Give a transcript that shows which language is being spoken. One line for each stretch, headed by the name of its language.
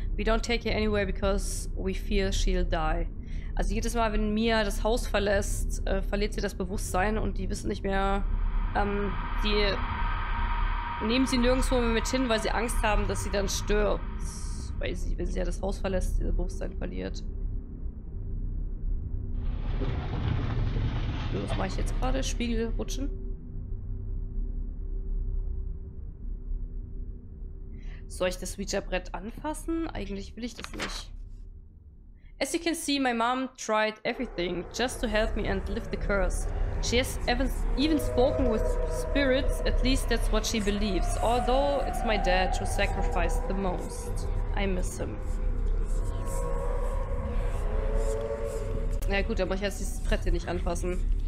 English: We don't take her anywhere because we fear she'll die.
German: Also jedes Mal, wenn Mia das Haus verlässt, verliert sie das Bewusstsein und die wissen nicht mehr, die nehmen sie nirgendwo mehr mit hin, weil sie Angst haben, dass sie dann stirbt. Weil sie, wenn sie ja das Haus verlässt, ihr Bewusstsein verliert. Was mache ich jetzt gerade? Spiegel rutschen? Soll ich das Ouija-Brett anfassen? Eigentlich will ich das nicht.
English: As you can see, my mom tried everything just to help me and lift the curse. She has even spoken with spirits, at least that's what she believes. Although it's my dad who sacrificed the most. I miss him.
German: Na gut, aber ich muss jetzt dieses Brett hier nicht anfassen.